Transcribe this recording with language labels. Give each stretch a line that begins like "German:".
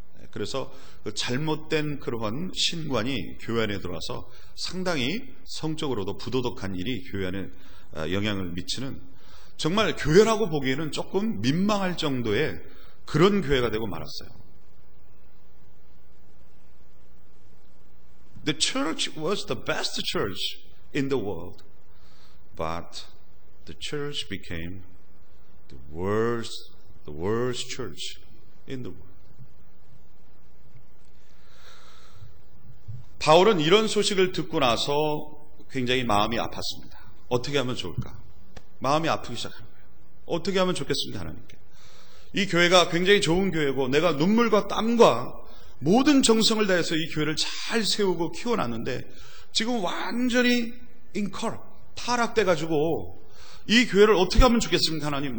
Korean: 그래서 그 잘못된 그러한 신관이 교회 안에 들어와서 상당히 성적으로도 부도덕한 일이 교회 안에 영향을 미치는, 정말 교회라고 보기에는 조금 민망할 정도의 그런 교회가 되고 말았어요.
English: The church was the best church in the world, but the church became the worst church in the world.
Korean: 바울은 이런 소식을 듣고 나서 굉장히 마음이 아팠습니다. 어떻게 하면 좋을까? 마음이 아프기 시작한 거예요. 어떻게 하면 좋겠습니까, 하나님께? 이 교회가 굉장히 좋은 교회고 내가 눈물과 땀과 모든 정성을 다해서 이 교회를 잘 세우고 키워놨는데 지금 완전히 잉컬, 타락돼가지고 이 교회를 어떻게 하면 좋겠습니까, 하나님?